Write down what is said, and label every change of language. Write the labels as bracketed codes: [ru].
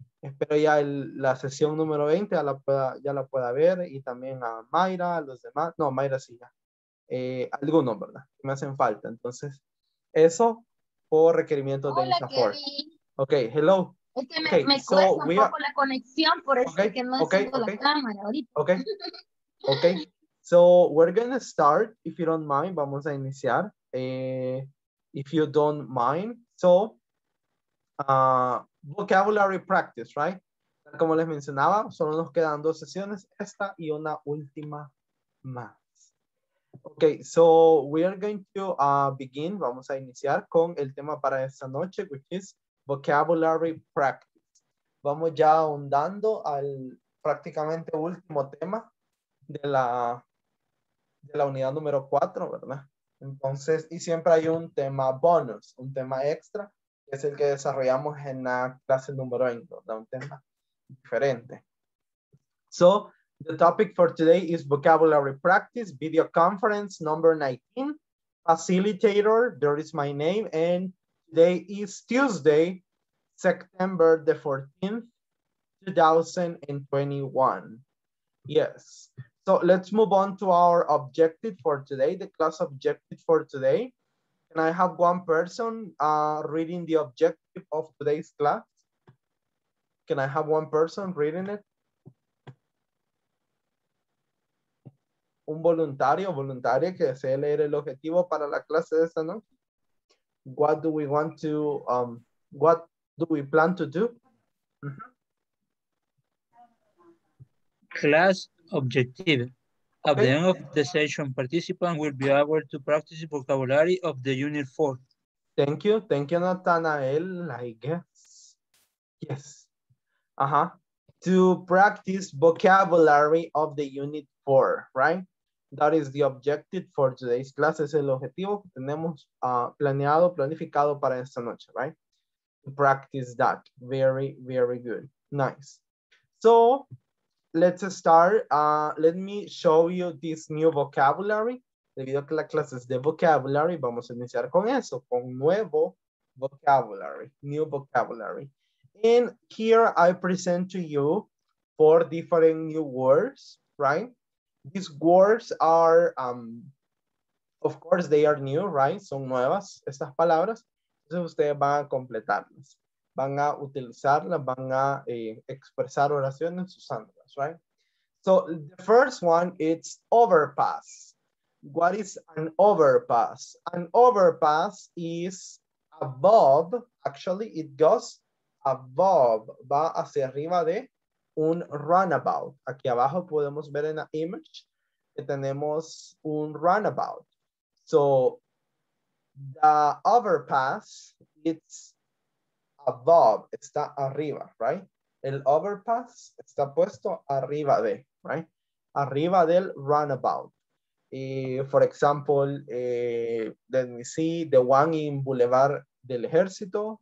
[es] Espero ya la sesión número 20 ya la pueda ver y también a Mayra, a los demás. No, Mayra sí ya. Algunos, ¿verdad? Me hacen falta. Entonces, eso por requerimiento de INSAFORP. Ok, hello. Es que okay, me cuesta un poco la conexión, por eso okay, es que no tengo okay, la cámara ahorita. Ok, ok. [en] So, we're gonna start, if you don't mind. [es] Vamos a iniciar. [en] If you don't mind. So, vocabulary practice, right? [es] Como les mencionaba, solo nos quedan dos sesiones, esta y una última más. [en] Okay, so we are going to begin, [es] vamos a iniciar con el tema para esta noche, [en] which is vocabulary practice. [es] Vamos ya ahondando al prácticamente último tema de la unidad número 4, ¿verdad? Entonces, y siempre hay un tema bonus, un tema extra. Es el que desarrollamos en la clase número 20, ¿no? Un tema diferente. [en] So, the topic for today is vocabulary practice, video conference number 19, facilitator, there is my name, and today is Tuesday, September the 14th, 2021. Yes. So, let's move on to our objective for today, the class objective for today. Can I have one person reading the objective of today's class? Can I have one person reading it? [es] Un voluntario, voluntaria que desee leer el objetivo para la clase de esta noche. [en] What do we want to, what do we plan to do? Class objective. At the end of the session, participants will be able to practice vocabulary of the unit 4. Thank you, Nathanael, I guess. Yes. To practice vocabulary of the unit 4, right? That is the objective for today's class. [es] Es el objetivo que tenemos planeado, planificado para esta noche, right? [en] To practice that. Very, very good. Nice. So, let's start. Let me show you this new vocabulary. [es] Debido a que la clase es de vocabulary, vamos a iniciar con eso, con nuevo vocabulary, new vocabulary. [en] And here I present to you 4 different new words, right? These words are, of course, they are new, right? [es] Son nuevas estas palabras. Entonces ustedes van a completarlas. Van a utilizarlas, van a expresar oraciones usándolas, right? [en] So the first one, it's overpass. What is an overpass? An overpass is above, actually it goes above, [es] va hacia arriba de un runabout. Aquí abajo podemos ver en la image que tenemos un runabout. [en] So the overpass, it's above, [es] está arriba, [en] right? [es] El overpass está puesto arriba de, right? Arriba del runabout. [en] Y, for example, let me see, the one in Boulevard del Ejército.